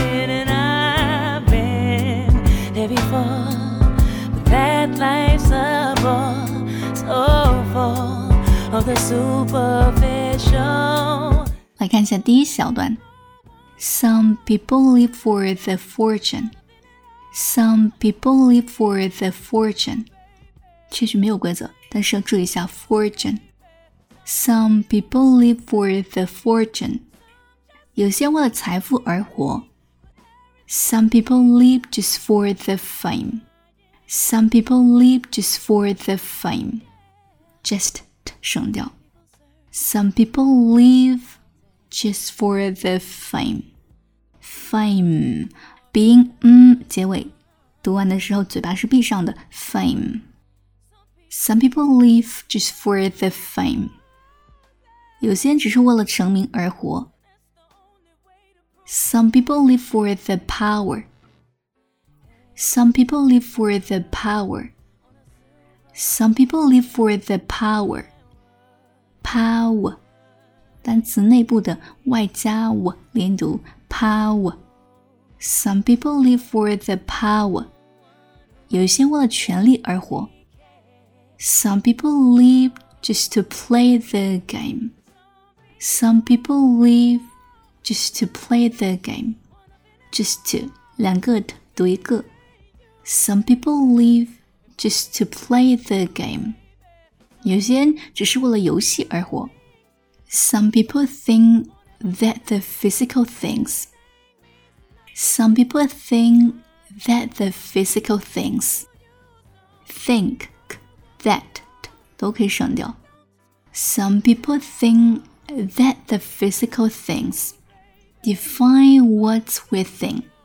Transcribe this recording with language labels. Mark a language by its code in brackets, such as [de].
[en] And I've been there before, but that life's a bore, so full of the superficial. [zh] 来看一下第一小段。 [en] Some people live for the fortune. Some people live for the fortune. [zh] 确实没有规则，但是要注意一下 fortune. [en] Some people live for the fortune. [zh] 有些人为了财富而活。 [en] Some people live just for the fame. Some people live just for the fame. Just [zh] 省掉。 [en] Some people live just for the fame. Fame, being [zh] 结尾，读完的时候嘴巴是闭上的。 [en] Fame. Some people live just for the fame. [zh] 有些人只是为了成名而活。 [en] Some people live for the power. Some people live for the power. Some people live for the power. Power. [zh] 单词内部的外加 w 连读 power. [en] Some people live for the power. [zh] 有些为了权力而活。 [en] Some people live just to play the game. Some people live just to play the game. Just to, [zh] 两个的读一个。 [en] Some people live just to play the game. [zh] 有些人只是为了游戏而活。 [en] Some people think that the physical things. Some people think that the physical things think that [zh] 都可以省掉。 [en] Some people think that the physical things define what's within.